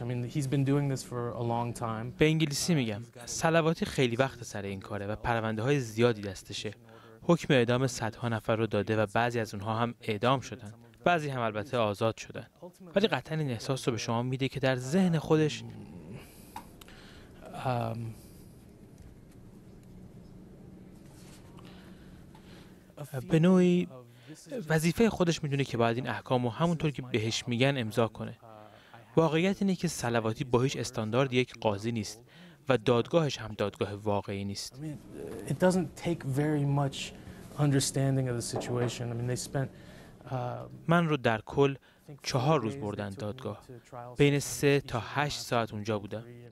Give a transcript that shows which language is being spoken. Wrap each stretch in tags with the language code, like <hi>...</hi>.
<en>I mean, he's been doing this for a long time.</en> <fa>به انگلیسی میگم صلواتی خیلی وقت سر این کاره و پرونده‌های زیادی دستشه. حکم اعدام صدها نفر رو داده و بعضی از اونها هم اعدام شدن، بعضی هم البته آزاد شدن، ولی قطعا این احساس رو به شما میده که در ذهن خودش به نوعی وظیفه خودش میدونه که باید این احکام رو همونطور که بهش میگن امضا کنه. واقعیت اینه که صلواتی با هیچ استاندارد یک قاضی نیست و دادگاهش هم دادگاه واقعی نیست.</fa> <en>It doesn't take very much understanding of the situation. I mean they spent</en> <fa>من رو در کل 4 روز بردن دادگاه. بین 3 تا 8 ساعت اونجا بودم.</fa>